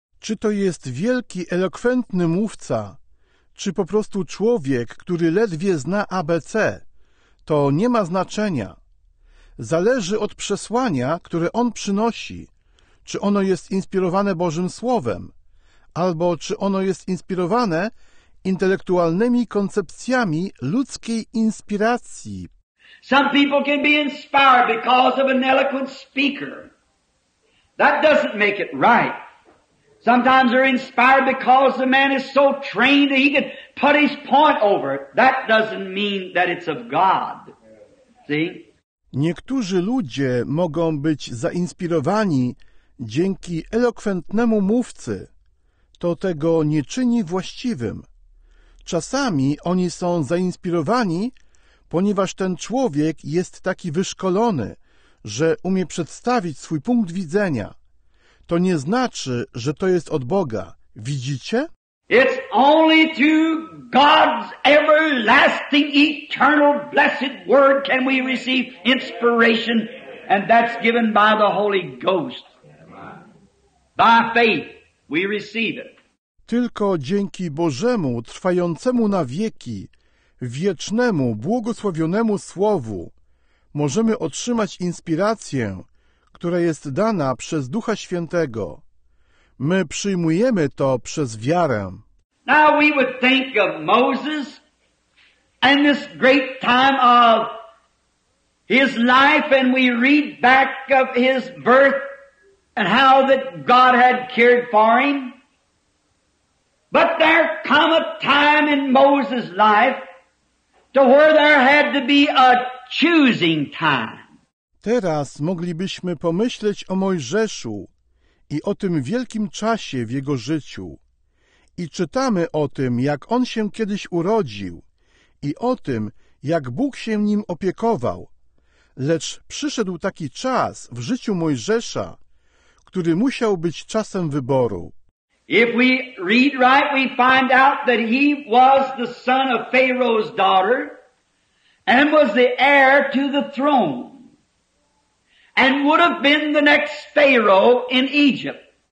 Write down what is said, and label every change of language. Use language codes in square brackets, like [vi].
[pl] Czy to jest wielki, elokwentny mówca, czy po prostu człowiek, który ledwie zna ABC, to nie ma znaczenia. Zależy od przesłania, które on przynosi, czy ono jest inspirowane Bożym Słowem, albo czy ono jest inspirowane intelektualnymi koncepcjami ludzkiej inspiracji. [en] Some people can be inspired because of an eloquent speaker. That doesn't make it right. Sometimes they're inspired because the man is so trained that he can put his point over it. That doesn't mean that it's of God. See? [pl] Niektórzy ludzie mogą być zainspirowani dzięki elokwentnemu mówcy. To tego nie czyni właściwym. Czasami oni są zainspirowani, ponieważ ten człowiek jest taki wyszkolony, że umie przedstawić swój punkt widzenia. To nie znaczy, że to jest od Boga. Widzicie? [en] It's only through God's everlasting, eternal, blessed word can we receive inspiration, and that's given by the Holy Ghost. By faith we receive it. [pl] Tylko dzięki Bożemu, trwającemu na wieki, wiecznemu, błogosławionemu Słowu możemy otrzymać inspirację, która jest dana przez Ducha Świętego. My przyjmujemy to przez wiarę. [en] Now we would think of Moses and this great time of his life, and we read back of his birth and how that God had cared for him. But there come a time in Moses' life to where there had to be a choosing time. [pl] Teraz moglibyśmy pomyśleć o Mojżeszu i o tym wielkim czasie w jego życiu. I czytamy o tym, jak on się kiedyś urodził i o tym, jak Bóg się nim opiekował. Lecz przyszedł taki czas w życiu Mojżesza, który musiał być czasem wyboru. [en] If we read right, we find out that he was the son of Pharaoh's daughter and was the heir to the throne and would have been the next Pharaoh in Egypt.